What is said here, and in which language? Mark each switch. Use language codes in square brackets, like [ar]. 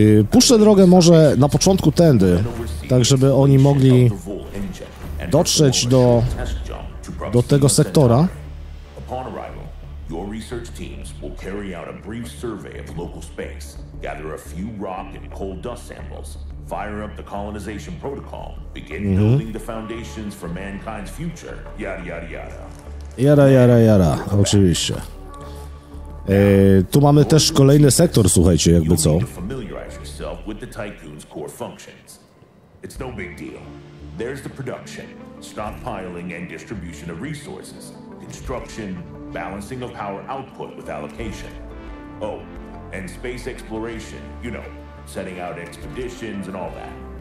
[pl] Puszczę drogę może na początku tędy, tak żeby oni mogli dotrzeć do tego sektora. [en] Upon arrival, your research teams will carry out a brief survey of local space, gather a few rock and coal dust samples, fire up the colonization protocol, begin building the foundations for mankind's future, yada yada yada. [pl] Yada yada yada, oczywiście. Tu mamy też kolejny sektor, słuchajcie, jakby co. [en] Familiarize yourself with the tycoon's core functions. It's no big deal. There's the production, stockpiling and distribution of resources, construction, balancing of power output with allocation. Oh, and space exploration, you know, setting out expeditions and all that.